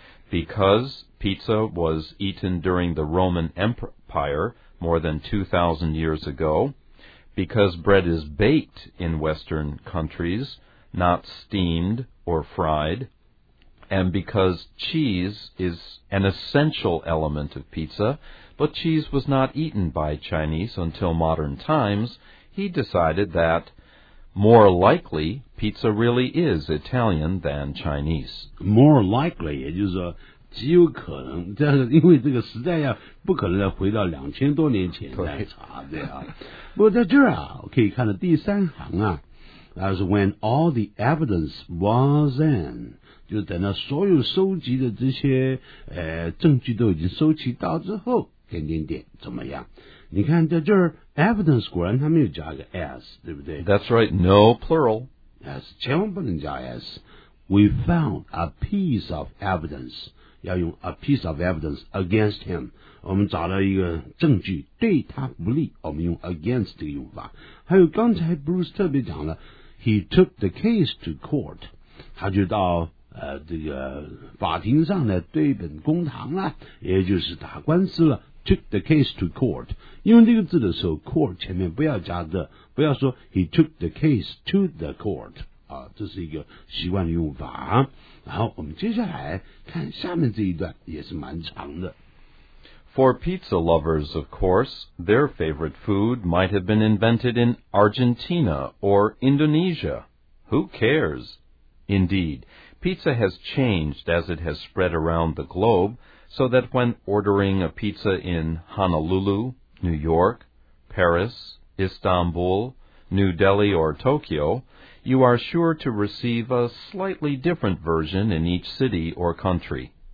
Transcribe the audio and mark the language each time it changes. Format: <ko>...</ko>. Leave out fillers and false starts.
<en>Because pizza was eaten during the Roman Empire more than 2,000 years ago, because bread is baked in Western countries, not steamed or fried, and because cheese is an essential element of pizza, but cheese was not eaten by Chinese until modern times, he decided that more likely, pizza really is Italian than Chinese. More likely,</en> <zh>也就是说极有可能，但是因为这个时代呀，不可能再回到两千多年前来查的啊。不过在这儿啊，可以看到第三行啊 ，</zh> <en>as when all the evidence was in，</en> <zh>就等到所有收集的这些证据都已经收集到之后，点点点怎么样？你看在这儿 evidence 果然他没有加个 s， 对不对</zh> <en>？That's right, no plural.</en> <zh>S 千万不能加 s.</zh> <en>We found a piece of evidence.</en> <zh>要用</zh> <en>a piece of evidence against him.</en> <zh>我们找到一个证据对他不利，我们用 against 这个用法。还有刚才 Bruce 特别讲了 ，</zh> <en>he took the case to court.</en> <zh>他就到这个法庭上呢对本公堂了，也就是打官司了。</zh> <en>Took the case to court.</en> <zh>用这个字的时候 court 前面不要加的，不要说</zh> <en>he took the case to the court.</en> <zh>啊，这是一个习惯的用法。然后我们接下来看下面这一段也是蛮长的。</zh> <en>For pizza lovers, of course, their favorite food might have been invented in Argentina or Indonesia. Who cares? Indeed, pizza has changed as it has spread around the globe,so that when ordering a pizza in Honolulu, New York, Paris, Istanbul, New Delhi, or Tokyo, you are sure to receive a slightly different version in each city or country.</en>